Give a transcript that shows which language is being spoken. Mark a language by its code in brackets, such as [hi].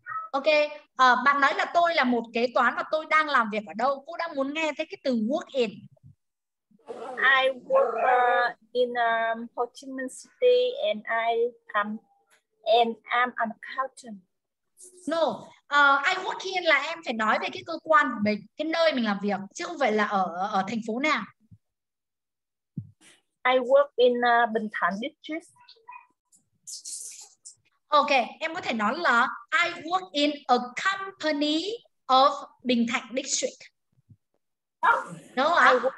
[vi] Okay, bạn nói là tôi là một kế toán và tôi đang làm việc ở đâu? Cô đang muốn nghe thấy cái từ work in. [en] I work in Ho Chi Minh City and I'm an accountant. No, I work in [vi] là em phải nói về cái cơ quan của mình, cái nơi mình làm việc, chứ không phải là ở thành phố nào. [en] I work in Bình Thạnh district. [vi] Okay, em có thể nói là [en] I work in a company of Bình Thạnh district. [vi] Đúng không ạ?